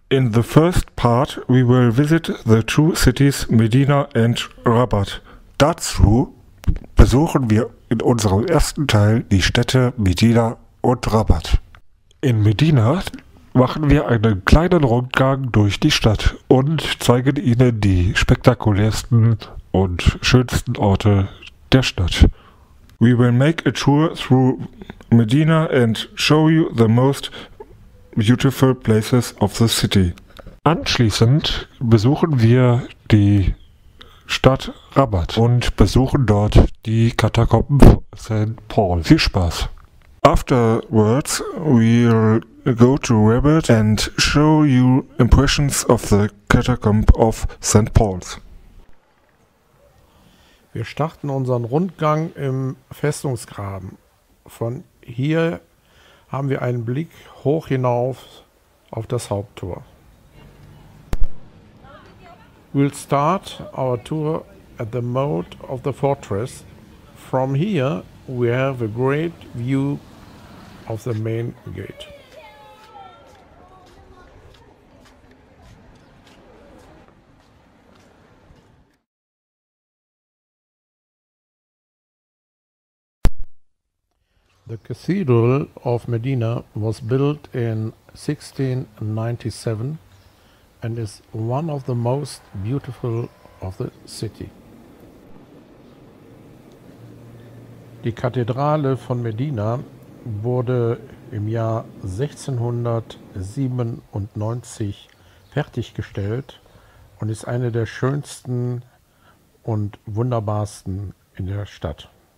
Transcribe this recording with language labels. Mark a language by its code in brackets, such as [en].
[en] In the first part we will visit the two cities Medina and Rabat. [de] Dazu besuchen wir in unserem ersten Teil die Städte Medina und Rabat. In Medina machen wir einen kleinen Rundgang durch die Stadt und zeigen Ihnen die spektakulärsten und schönsten Orte der Stadt. [en] We will make a tour through Medina and show you the most beautiful places of the city. [de] Anschließend besuchen wir die Stadt Rabat und besuchen dort die Katakomben St. Paul. Viel Spaß! [en] Afterwards, we'll go to Rabat and show you impressions of the catacomb of St. Paul's. [de] Wir starten unseren Rundgang im Festungsgraben. Von hier haben wir einen Blick hoch hinauf auf das Haupttor. [en] We'll start our tour at the moat of the fortress. From here, we have a great view of the main gate. The Cathedral of Medina was built in 1697 and is one of the most beautiful of the city. [de] Die Kathedrale von Medina wurde im Jahr 1697 fertiggestellt und ist eine der schönsten und wunderbarsten in der Stadt.